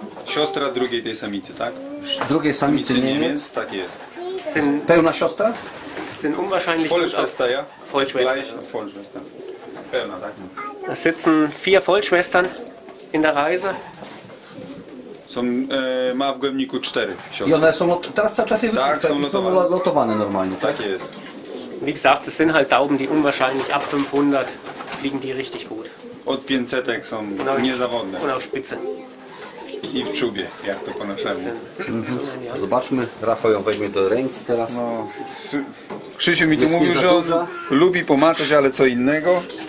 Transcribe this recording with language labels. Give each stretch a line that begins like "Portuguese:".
Polish: Siostra drugiej tej samicy, tak? Drugiej samicy Niemiec. Tak jest. Pełna siostra?
German: Sind unwahrscheinlich gut. Vollschwester, ja? Vollschwester.
Polish: Pełna, tak?
German: Da sitzen vier Vollschwestern in der Reise.
Polish: Ma w gołębniku 4 siostry. I one są teraz cały czas je wypuszczają, są lotowane normalnie. Tak jest.
German: Wie gesagt, es sind halt Tauben, die unwahrscheinlich ab 500 fliegen die richtig gut.
Polish: Od 500 są niezawodne.
German: Und auf Spitze.
Polish: I w czubie, jak to po naszemu. Zobaczmy, Rafał ją weźmie do ręki teraz. No, Krzysiu mi tu mówił, że on lubi pomaczać, ale co innego.